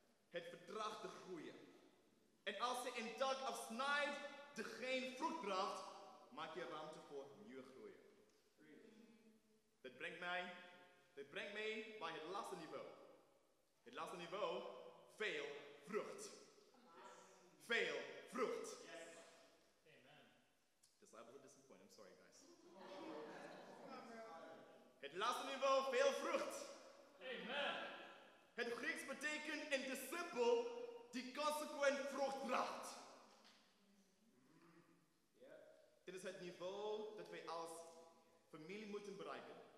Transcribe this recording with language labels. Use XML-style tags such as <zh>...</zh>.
<nl>Het verdraagt de groeien. En als je een tak afsnijdt die geen vrucht draagt, maak je ruimte voor nieuwe groeien. Dit brengt mij bij het laatste niveau. Het laatste niveau, veel vrucht.</nl> <en>Yes.</en> <nl>Veel vrucht.</nl> <en>Yes. Amen.</en> <nl>Dus</nl> <en>I was disappointed, I'm sorry guys.</en> <nl>Het laatste niveau, veel vrucht. Amen. Het Grieks betekent een discipel die consequent vrucht draagt.</nl> <en>Yeah.</en> <nl>Dit is het niveau dat wij als familie moeten bereiken.</nl>